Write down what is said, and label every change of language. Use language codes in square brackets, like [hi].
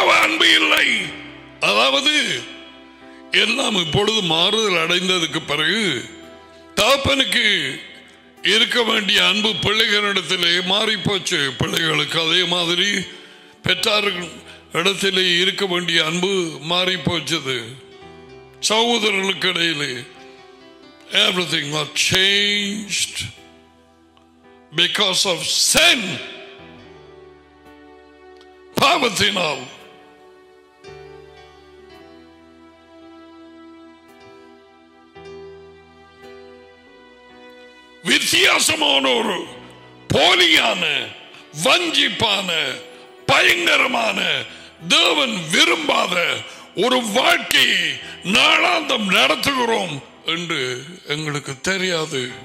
[ta] அன்பு இல்லை. அதாவது எல்லாம் இப்பொழுது மாறுதல் அடைந்ததுக்கு பிறகு தகப்பனுக்கு இருக்க வேண்டிய அன்பு பிள்ளைகளிடத்திலே மாறி போச்சு. பிள்ளைகளுக்கு அதே மாதிரி பெற்றார்களிடத்திலே இருக்க வேண்டிய அன்பு மாறி போச்சது. சகோதரர்களுக்கு இடையிலே [en] everything was changed because of sin. [ta] பாவத்தினால் வித்தியாசமான ஒரு போலியான, வஞ்சிப்பான, பயங்கரமான, தேவன் விரும்பாத ஒரு வாழ்க்கையை நாளாந்தம் நடத்துகிறோம் என்று எங்களுக்கு தெரியாது.